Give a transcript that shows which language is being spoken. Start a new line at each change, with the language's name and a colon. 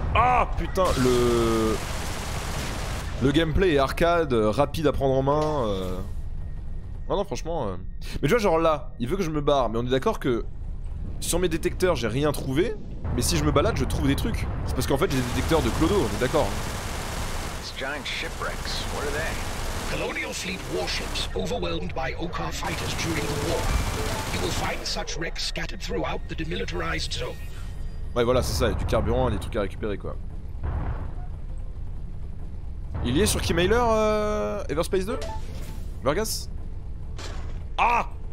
French: Ah putain le... Le gameplay est arcade, rapide à prendre en main. Non non franchement. Mais tu vois genre là, il veut que je me barre, mais on est d'accord que sur mes détecteurs j'ai rien trouvé, mais si je me balade je trouve des trucs. C'est parce qu'en fait j'ai des détecteurs de clodo, on est d'accord.
English: Ces giant shipwrecks, what are they? Colonial fleet warships overwhelmed by Okar fighters during the war. You will find such wrecks scattered throughout the demilitarized zone.
French: Ouais voilà c'est ça, du carburant, des trucs à récupérer quoi. Il y est sur Keymailer, Everspace 2 Vargas. Ah.